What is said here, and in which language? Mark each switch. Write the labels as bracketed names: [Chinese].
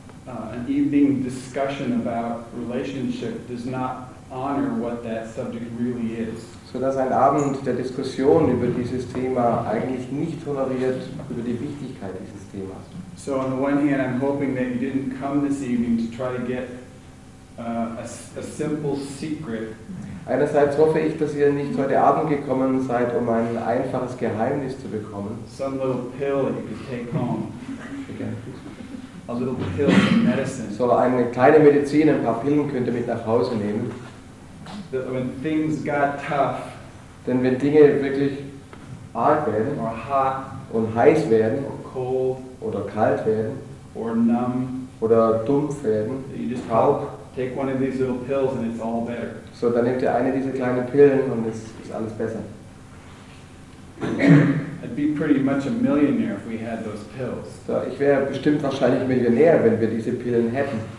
[English] An evening discussion about relationship does not honor what that subject really is. [German] So dass ein Abend der Diskussion über dieses Thema eigentlich nicht toleriert über die Wichtigkeit dieses Themas. [English] So on the one hand, I'm hoping that you didn't come this evening to try to get a simple secret. [German] Einerseits hoffe ich, dass ihr nicht heute Abend gekommen seid, um ein einfaches Geheimnis zu bekommen. [English] Some little pill that you could take home. A little pill of medicine. [German] So eine kleine Medizin, ein paar Pillen könnt ihr mit nach Hause nehmen. [English] That when things got tough, [German] denn wenn Dinge wirklich arg werden, [English] or hot, [German] und heiß werden, [English] or cold, [German] oder kalt werden, [English] or numb, [German] oder dumpf werden, [English] you just [German] taub, [English] take one of these little pills and it's all better. [German] So dann nehmt ihr eine dieser kleinen Pillen und es ist alles besser. [English] I'd be pretty much a millionaire if we had those pills. [German] So, ich wäre bestimmt wahrscheinlich Millionär, wenn wir diese Pillen hätten.